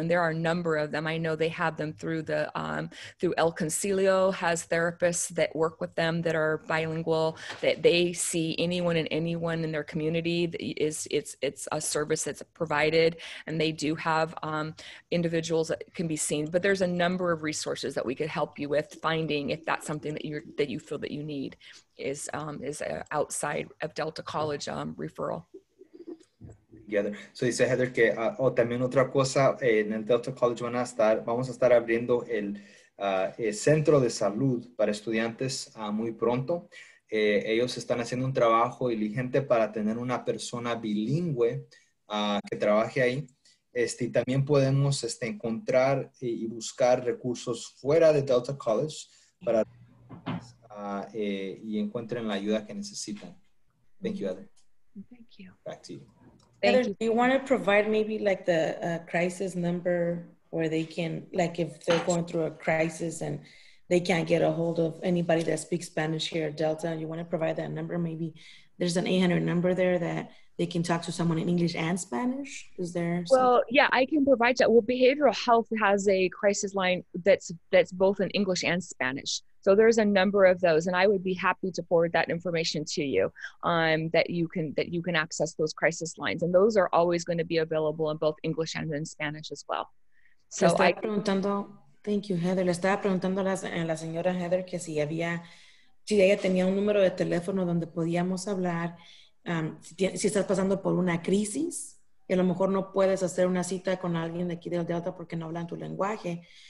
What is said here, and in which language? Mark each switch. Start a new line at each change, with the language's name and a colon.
English: And there are a number of them. I know they have them through El Concilio has therapists that work with them that are bilingual, that they see anyone and anyone in their community that it's a service that's provided, and they do have individuals that can be seen. But there's a number of resources that we could help you with finding if that's something that you feel that you need is outside of Delta College referral. Together.
Spanish: So dice Heather que también otra cosa en el Delta College vamos a estar abriendo el centro de salud para estudiantes muy pronto. Ellos están haciendo un trabajo diligente para tener una persona bilingüe que trabaje ahí. Y también podemos encontrar y buscar recursos fuera de Delta College para y encuentren la ayuda que necesitan.
English: Thank you, Heather. Thank you. Back to you. Heather, do you want to provide maybe like the crisis number, where they can, like if they're going through a crisis and they can't get a hold of anybody that speaks Spanish here at Delta, you want to provide that number? Maybe there's an 800 number there that they can talk to someone in English and Spanish? Is there? Well, yeah, I can provide that. Well, behavioral health has a crisis line that's both in English and Spanish. So there's a number of those, and I would be happy to forward that information to you that you can access those crisis lines. And those are always going to be available in both English and in Spanish as well. So thank you, Heather.
Spanish: Le estaba preguntando a la señora Heather que si ella tenía un número de teléfono donde podíamos hablar, si estás pasando por una crisis y a lo mejor no puedes hacer una cita con alguien de aquí de Delta porque no hablan tu lenguaje.